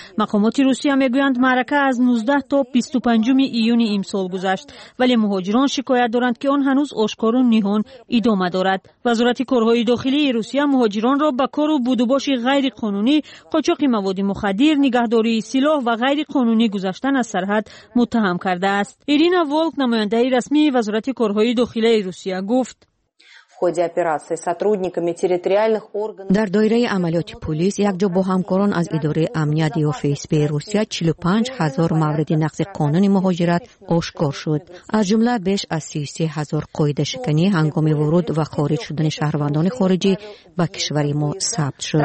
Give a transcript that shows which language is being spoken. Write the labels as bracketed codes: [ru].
[fa] مقامات روسیه میگویند معرکه از 19 تا 25 ایون امسال گذشت، ولی مهاجران شکایت دارند که آن هنوز آشکار و نهان ادامه دارد. وزارت کارهای داخلی روسیه مهاجران را به کار و بودوباش غیر قانونی، قاچاق مواد مخدر، نگهداری سلاح و غیر قانونی گذشتن از سرحد متهم کرده است. ایرینا ولک نماینده رسمی وزارت کارهای داخلی روسیه گفت [ru] ходе операции сотрудниками территориальных органов. [tg] Дар дойраи амалиёти полис якҷо бо ҳамкорон аз идораи амнияти ФСБ Русия 45000 мавриди нақзи қонуни муҳоҷират ошкор шуд. Аз ҷумла беш аз 33000 қоидашиканӣ ҳангоми ворид ва хориҷ шудани шаҳрвандони хориҷӣ ба кишвари мо сабт шуд.